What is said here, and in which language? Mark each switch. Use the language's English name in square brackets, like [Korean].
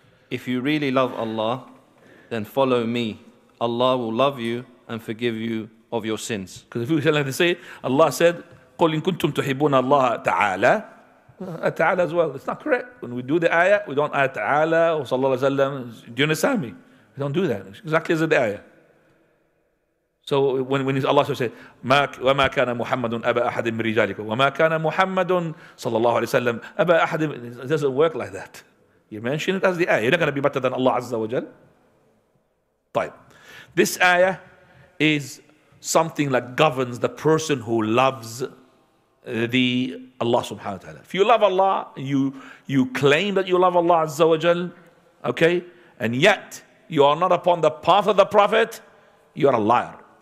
[English] if you really love Allah, then follow me. Allah will love you and forgive you of your sins. Because if you tell him to say, Allah said, [Arabic] قُلْ إِن كُنْتُمْ تُحِبُونَ اللَّهَ تَعَالَى تَعَالَى [English] as well. It's not correct. When we do the ayah, we don't add تَعَالَى or [Arabic] صَلَّى اللَّهُ عَلَيْهِ وَسَلَّمَ. [English] Do you understand me? We don't do that. It's exactly as the ayah. So when Allah says, [Arabic] وَمَا كَانَ مُحَمَّدٌ أَبَى أَحَدٍ مِنْ رِجَالِكُمْ وَمَا كَانَ مُحَمَّدٌ صَلَّى اللَّهُ عَلَيْهِ وَسَلَّمَ أَبَى أَحَدٍ. [English] It doesn't work like that. You mention it as the ayah. You're not going to be better than Allah Azza wa Jal. [Arabic] طيب. [English] This ayah is something that governs the person who loves the Allah subhanahu wa ta'ala. If you love Allah, you claim that you love Allah Azza wa Jal, okay, and yet you are not upon the path of the Prophet, you are a liar.